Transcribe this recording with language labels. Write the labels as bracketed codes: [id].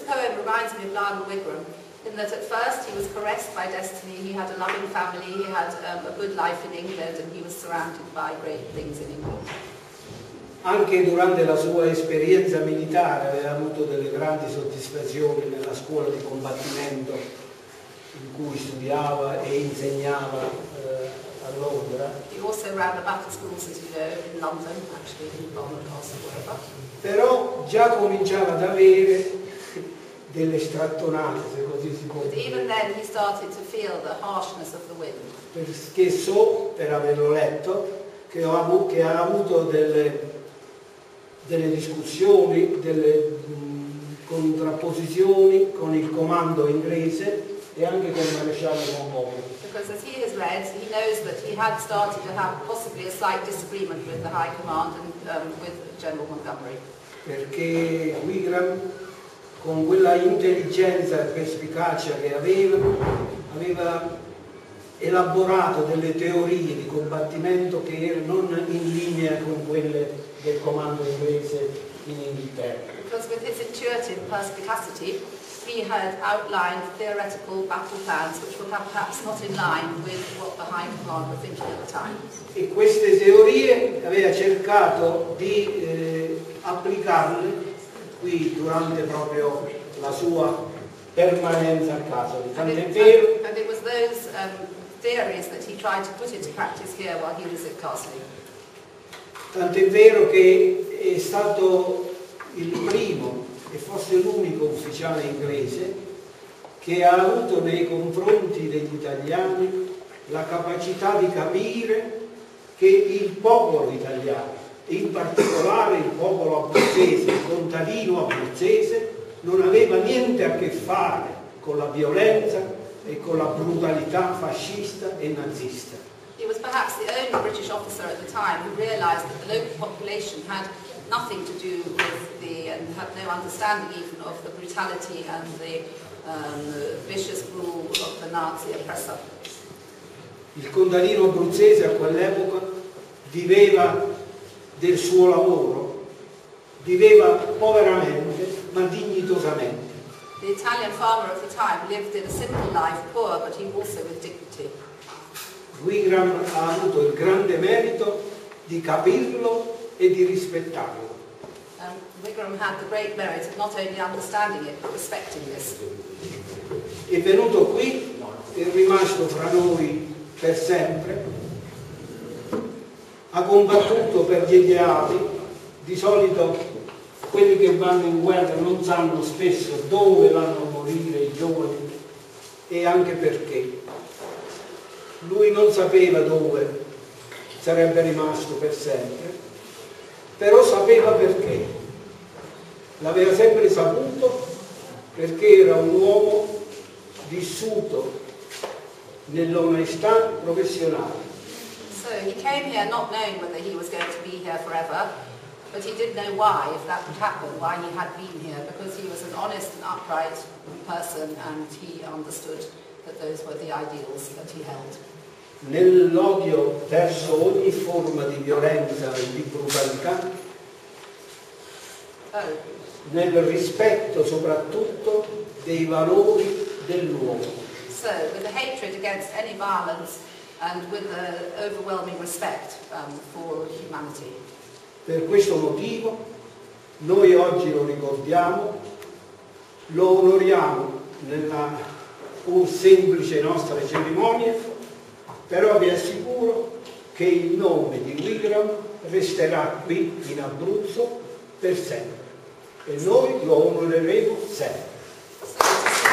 [en] In that at first he was caressed by destiny, he had a loving family, he had a good life in England and he was surrounded by great things in England. [it] Anche durante la sua esperienza militare aveva avuto delle grandi soddisfazioni nella scuola di combattimento in cui studiava e insegnava a Londra. [en] He also ran the battle schools, as you know, in London, actually in Bournemouth or wherever. [it] Però già cominciava ad avere delle strattonate, se così si può dire. [en] But even then he started to feel the harshness of the wind. [it] Perché so, per averlo letto, che ha avuto delle discussioni, delle contrapposizioni con il comando inglese e anche con il maresciallo Montgomery. [en] Because as he has read, he knows that he had started to have possibly a slight disagreement with the high command and with General Montgomery. [it] Perché Wigram, con quella intelligenza e perspicacia che aveva, aveva elaborato delle teorie di combattimento che erano non in linea con quelle del comando inglese in Inghilterra. [en] Because with his intuitive perspicacity, he had outlined theoretical battle plans which were perhaps not in line with what the high command were thinking at the time. [it] E queste teorie aveva cercato di applicarle qui durante proprio la sua permanenza a casa, tant'è vero. [en] And it was those theories that he tried to put into practice here while he was at Castle. [it] Tant'è vero che è stato il primo e forse l'unico ufficiale inglese che ha avuto nei confronti degli italiani la capacità di capire che il popolo italiano, in particolare il popolo abruzzese, il contadino abruzzese, non aveva niente a che fare con la violenza e con la brutalità fascista e nazista. [en] He was perhaps the only British officer at the time who realized that the local population had nothing to do with the, and had no understanding even of the brutality and the vicious rule of the Nazi oppressor. [it] Il contadino abruzzese a quell'epoca viveva del suo lavoro, viveva poveramente ma dignitosamente. [en] The Italian farmer of the time lived in a simple life, poor, but he also with dignity. [it] Wigram ha avuto il grande merito di capirlo e di rispettarlo. [en] Wigram had the great merit of not only understanding it, but respecting this. [it] È venuto qui, è rimasto fra noi per sempre, ha combattuto per gli ideali. Di solito quelli che vanno in guerra non sanno spesso dove vanno a morire i giovani e anche perché. Lui non sapeva dove sarebbe rimasto per sempre, però sapeva perché. L'aveva sempre saputo perché era un uomo vissuto nell'onestà professionale. [en] So he came here not knowing whether he was going to be here forever, but he did know why, if that would happen, why he had been here, because he was an honest and upright person and he understood that those were the ideals that he held. [it] Nell'odio verso ogni forma di violenza e di brutalità, nel rispetto soprattutto dei valori dell'uomo. [en] So, with the hatred against any violence and with the overwhelming respect for humanity. [it] Per questo motivo noi oggi lo ricordiamo, lo onoriamo nella un semplice nostra cerimonia, però vi assicuro che il nome di Wigram resterà qui in Abruzzo per sempre e noi lo onoreremo sempre.